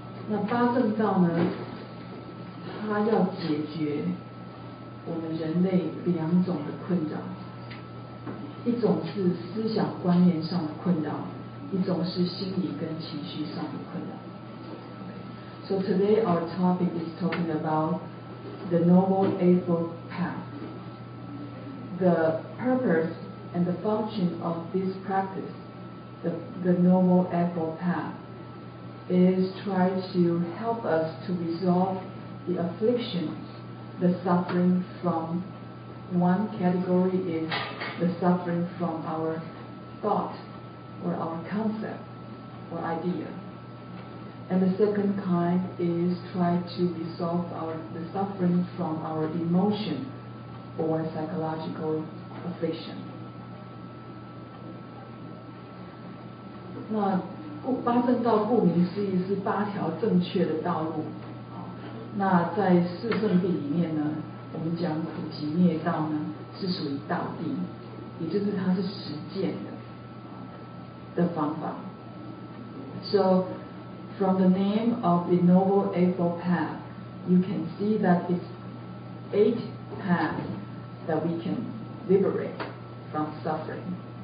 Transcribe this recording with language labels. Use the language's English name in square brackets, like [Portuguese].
[Chinese] 那八正道呢，它要解决我们人类两种的困扰，一种是思想观念上的困扰。一种是心理跟情绪上的困扰。 [English] So today our topic is talking about the Noble Eightfold Path. The purpose and the function of this practice, the Noble Eightfold Path, is try to help us to resolve the afflictions, the suffering from one category is the suffering from our thoughtor our concept or idea. And the second kind is try to resolve the suffering from our emotion or psychological affliction. [Chinese] 那八正道顾名思义是八条正确的道路。那在四圣谛里面呢，我们讲苦集灭道呢是属于道谛，也就是它是实践的。 [English] The方法 So from the name of the Noble Eightfold Path, you can see that it's eight paths that we can liberate from suffering.